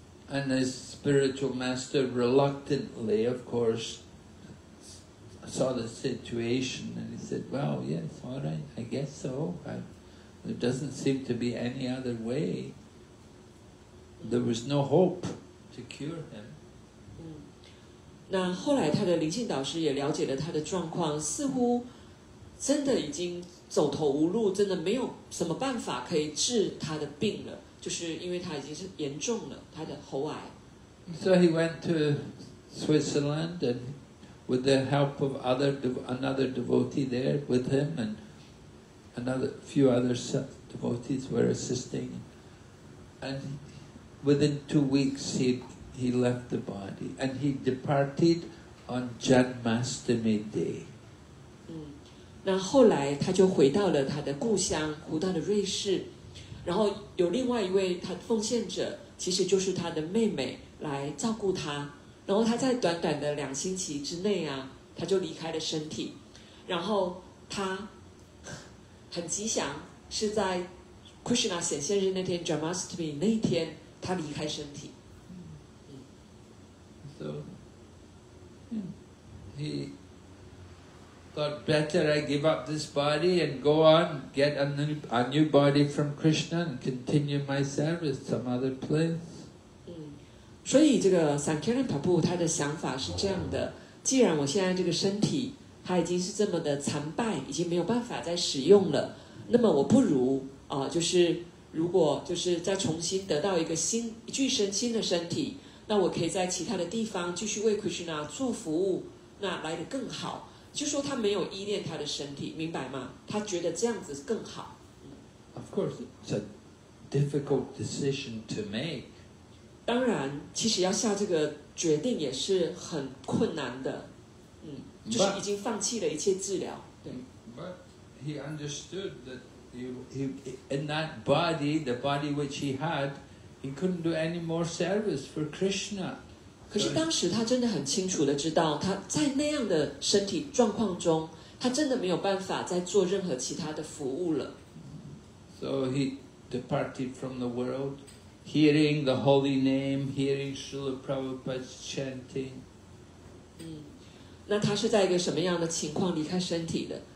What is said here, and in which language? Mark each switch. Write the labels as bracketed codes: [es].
[en] And his spiritual master reluctantly, of course, saw the situation and he said, "Well, yes, all right, I guess so. There doesn't seem to be any other way." There was no hope to cure him. [zh] 那后来他的灵性导师也了解了他的状况，似乎真的已经走投无路，真的没有什么办法可以治他的病了，就是因为他已经是严重了他的喉癌。 [en] So he went to Switzerland and with the help of another devotee there with him and another few other devotees were assisting and. Within 2 weeks, he left the body, and he departed on Janmashtami day. [zh] 那后来他就回到了他的故乡，回到了瑞士。然后有另外一位他的奉献者，其实就是他的妹妹来照顾他。然后他在短短的两星期之内啊，他就离开了身体。然后他很吉祥，是在 Krishna 显现日那天 Jamashtami 那一天，他离开身体。 [en] So he thought better I give up this body and go on get a new body from Krishna and continue my service some other place. [zh] 所以这个 Sankaran Prabhu 他的想法是这样的，既然我现在这个身体他已经是这么的残败，已经没有办法再使用了，那么我不如就是如果就是再重新得到一个新一具身新的身体，那我可以在其他的地方继续为 Krishna 做服务，那来得更好。就说他没有依恋他的身体，明白吗？他觉得这样子更好。 [en] Of course, it's a difficult decision to make. [zh] 当然，其实要下这个决定也是很困难的。就是已经放弃了一切治疗。 [en] But he understood that in that body, the body which he had. He couldn't do any more service for Krishna. [zh] 可是当时他真的很清楚地知道，他在那样的身体状况中，他真的没有办法再做任何其他的服务了。 [en] So he departed from the world, hearing the holy name, hearing Srila Prabhupada's chanting. [zh] 那他是在一个什么样的情况离开身体的？